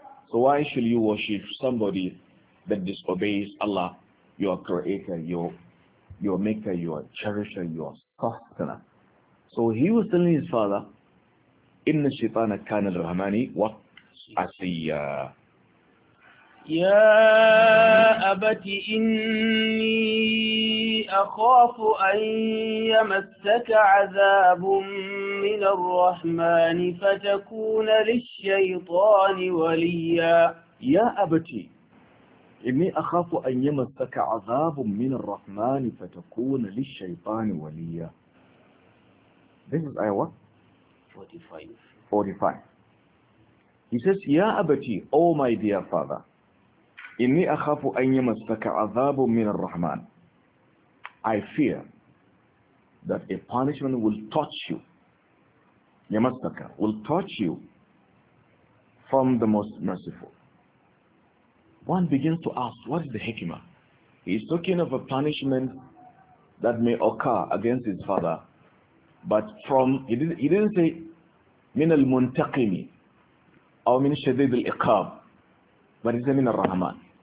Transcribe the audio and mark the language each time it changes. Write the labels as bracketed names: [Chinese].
[English] So why should you worship somebody that disobeys Allah, your creator, your maker, your cherisher, your sustainer? So he was telling his father, [Arabic] Inna shaitana kana lirrahmani wa asiya. يا أبت إني أخاف أن يمسك عذاب من الرحمن فتكون للشيطان وليا. يا أبت إني أخاف أن يمسك عذاب من الرحمن فتكون للشيطان وليا. [English] This is Iowa 45. He says, [Arabic] يا أبت, [English] oh my dear father. [Arabic] إني أخاف أن يمسك عذاب من الرحمن. [English] I fear that a punishment will touch you. [Arabic] يمسك [English] will touch you from the most merciful. One begins to ask, what is the hikmah? He is talking of a punishment that may occur against his father, but from, he didn't say [Arabic] من المنتقم أو من شديد العقاب, [English] but it's [Arabic] من الرحمن.